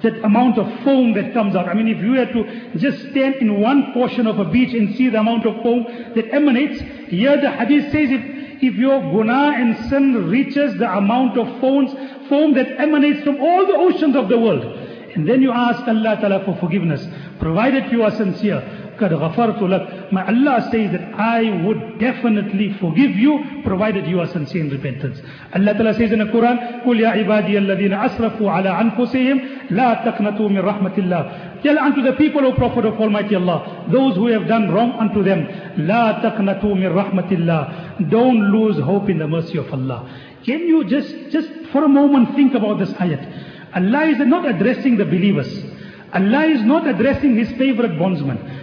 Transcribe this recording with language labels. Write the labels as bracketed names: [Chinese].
[English] That amount of foam that comes out. I mean, if you were to just stand in one portion of a beach and see the amount of foam that emanates, here the hadith says if your guna and sin reaches the amount of foam that emanates from all the oceans of the world, and then you ask Allah Ta'ala for forgiveness, provided you are sincere, [Arabic] قَدْ غَفَرْتُ لَكْ, [English] my Allah says that I would definitely forgive you, provided you are sincere in repentance. Allah Ta'ala says in the Quran, [Arabic] قُلْ يَا عِبَادِيَ الَّذِينَ أَسْرَفُوا عَلَىٰ أَنفُسِهِمْ لَا تَقْنَتُوا مِنْ رَحْمَةِ اللَّهِ. [English] Tell unto the people, O Prophet of Almighty Allah, those who have done wrong unto them, [Arabic] لَا تَقْنَتُوا مِنْ رَحْمَةِ اللَّهِ. [English] Don't lose hope in the mercy of Allah. Can you just for a moment think about this ayat? Allah is not addressing the believers. Allah is not addressing His favorite bondsmen.